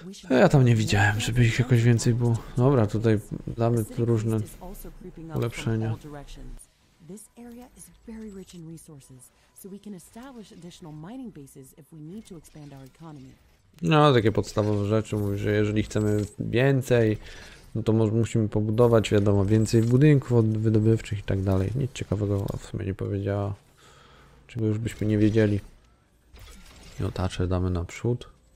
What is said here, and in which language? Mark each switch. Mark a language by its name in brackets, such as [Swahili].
[Polish] Ja tam nie widziałem, żeby ich jakoś więcej było. Dobra, tutaj damy różne ulepszenia. [English] This area is very rich in resources, so we can establish additional mining bases if we need to expand our economy. [Polish] No, takie podstawowe rzeczy, mówię, że jeżeli chcemy więcej, no to może musimy pobudować, wiadomo, więcej budynków wydobywczych i tak dalej. Nic ciekawego w sumie nie powiedziała, czego już byśmy nie wiedzieli. I otaczę, damy naprzód.